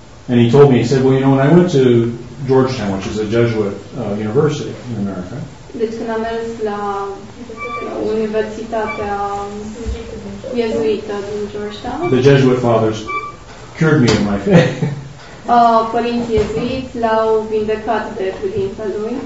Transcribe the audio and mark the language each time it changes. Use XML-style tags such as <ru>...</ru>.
<en>And he told me, he said, well, you know, when I went to Georgetown, which is a Jesuit university in America.</en> <ro>Deci când am mers la Universitatea Jesuită din Georgetown.</ro> <en>The Jesuit fathers cured me of my faith.</en> <ro>Părinții jesuiți l-au vindecat de credința lui.</ro>